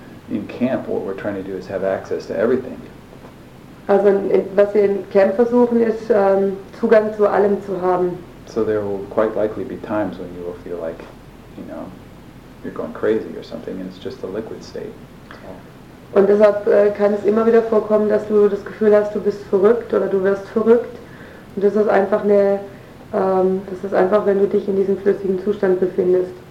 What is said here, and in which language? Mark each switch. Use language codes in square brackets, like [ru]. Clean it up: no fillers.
[en] In camp, what we're trying to do is have access to everything. [de] Also was wir im Camp versuchen, ist Zugang zu allem zu haben. [en] So there will quite likely be times when you will feel like, you know, you're going crazy or something, and it's just a liquid state. [de] Und deshalb kann es immer wieder vorkommen, dass du das Gefühl hast, du bist verrückt oder du wirst verrückt. Und das ist einfach eine, das ist einfach, wenn du dich in diesem flüssigen Zustand befindest.